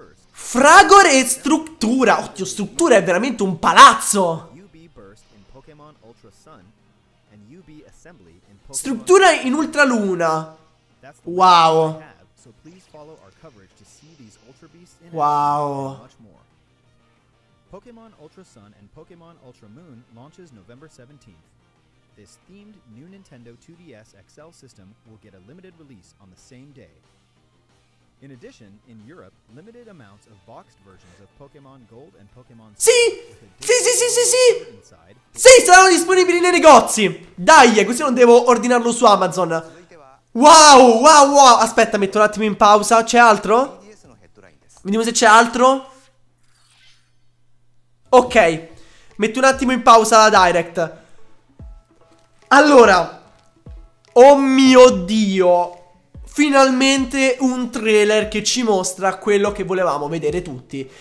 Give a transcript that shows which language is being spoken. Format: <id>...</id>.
<it>Fragor e Struttura. Oddio, Struttura è veramente un palazzo.</it> <en>Pokémon Ultra Sun and UB Assembly in Pokémon.</en> <it>Struttura in Ultraluna.</it> <en>Wow. So please follow our coverage to see these Ultra Beasts in much more. Pokémon Ultra Sun and Pokémon Ultra Moon launches November 17th. This themed new Nintendo 2DS XL system will get a limited release on the same day. In addition, in Europe, limited amounts of boxed versions of Pokémon Gold and Pokémon</en> <it>Sì, saranno disponibili nei negozi. Dai, così non devo ordinarlo su Amazon. Wow. Aspetta, metto un attimo in pausa. C'è altro? Vediamo se c'è altro. Ok, metto un attimo in pausa la Direct. Allora, oh mio Dio, finalmente un trailer che ci mostra quello che volevamo vedere tutti.</it>